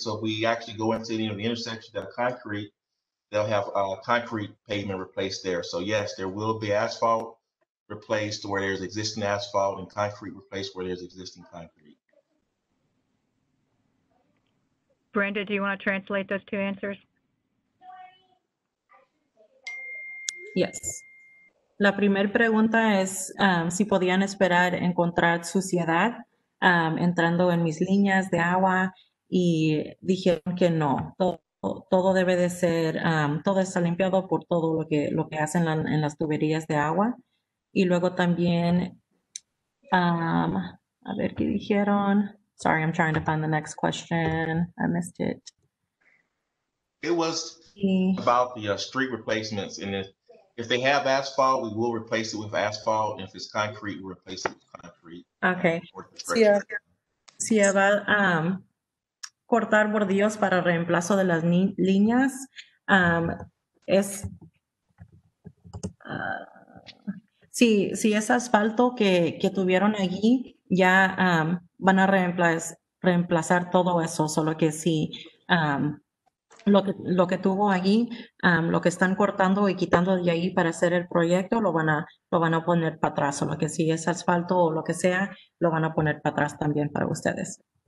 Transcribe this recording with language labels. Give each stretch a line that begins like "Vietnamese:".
English: So if we actually go into any of the intersections that are concrete, they'll have concrete pavement replaced there. So yes, there will be asphalt replaced where there's existing asphalt and concrete replaced where there's existing concrete. Brenda, do you want to translate those two answers? Yes.
Spanish: La primera pregunta es si podían esperar encontrar suciedad entrando en mis líneas de agua y dijeron que no. Todo debe de ser, todo está limpiado por todo lo que hacen en las tuberías de agua. Y luego también, a ver qué dijeron.
English: Sorry, I'm trying to find the next question. I missed it. It was about the street replacements. And if they have asphalt, we will replace it with asphalt. And if it's concrete, we'll replace it with concrete. Okay.
Spanish: Si va a cortar bordillos para reemplazo de las líneas, es... Si es asfalto que tuvieron allí, ya van a reemplazar todo eso, solo que si lo que tuvo allí, lo que están cortando y quitando de ahí para hacer el proyecto, lo van a poner para atrás, solo que si es asfalto o lo que sea, lo van a poner para atrás también para ustedes.